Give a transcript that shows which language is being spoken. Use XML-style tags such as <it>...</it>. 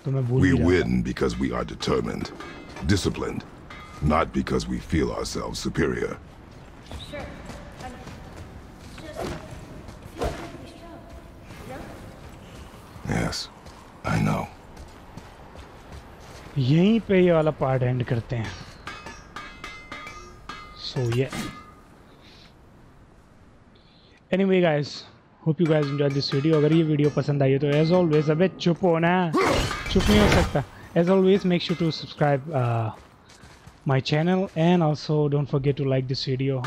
<en>We win because we are determined, disciplined, not because we feel ourselves superior. Sure. I'm just feeling pretty strong. Yeah? Yes, I know.</en> <hi>यहीं पे ये वाला part end करते हैं.</hi> <en>So yeah. Anyway, guys, hope you guys enjoyed this video.</en> <hi>अगर ये video पसंद आई तो</hi> <en>as always</en> <hi>अबे चुप हो ना.</hi> <en>As always, make sure to subscribe my channel, and also don't forget to like this video.</en>